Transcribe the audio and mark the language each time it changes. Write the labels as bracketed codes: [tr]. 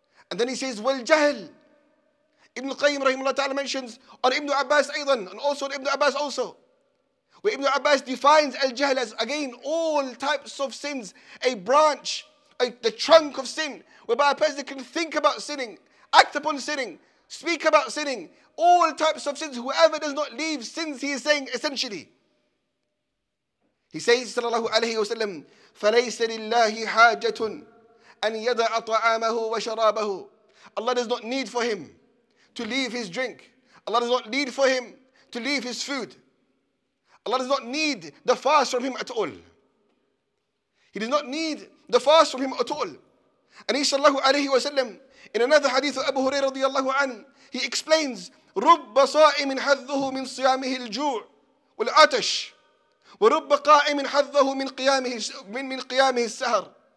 [en] And then he says, wal jahl. Ibn al-Qayyim rahimahullah ta'ala mentions on Ibn Abbas aydan, and also on Ibn Abbas also, where Ibn Abbas defines al-jahl as, again, all types of sins, a branch, the trunk of sin, whereby a person can think about sinning, act upon sinning, speak about sinning, all types of sins, whoever does not leave sins, he is saying essentially. He says, [ar] sallallahu alayhi wa sallam, فَلَيْسَ لِلَّهِ حَاجَةٌ أَنْ يَدَعَ طَعَامَهُ وَشَرَابَهُ. [en] Allah does not need for him to leave his drink. Allah does not need for him to leave his food. Allah does not need the fast from him at all. He does not need the fast from him at all. And he sallallahu alayhi wa sallam, in another hadith of Abu Hurairah radiallahu an, he explains, [ar] رُبَّ صَائِمٍ حَذُّهُ مِنْ صِيَامِهِ الْجُوعِ وَالْعَتَشِ وَرُبَّ قَائِمٍ حَذُّهُ مِنْ قِيَامِهِ السَّهَرِ.